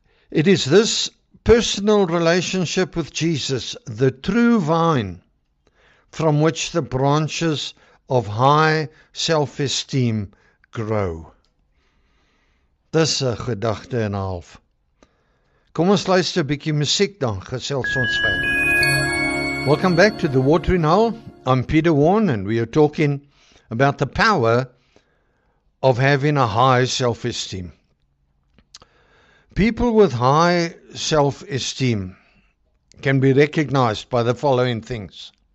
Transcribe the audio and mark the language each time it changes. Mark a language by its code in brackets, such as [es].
[en] It is this personal relationship with Jesus, the true vine, from which the branches of high self-esteem grow. [af] Dis 'n gedagte en 'n half. Kom ons luister 'n bietjie musiek dan, gesels ons verder. [en] Welcome back to the Watering Hole. I'm Peter Warne and we are talking about the power of having a high self-esteem. People with high self-esteem can be recognized by the following things.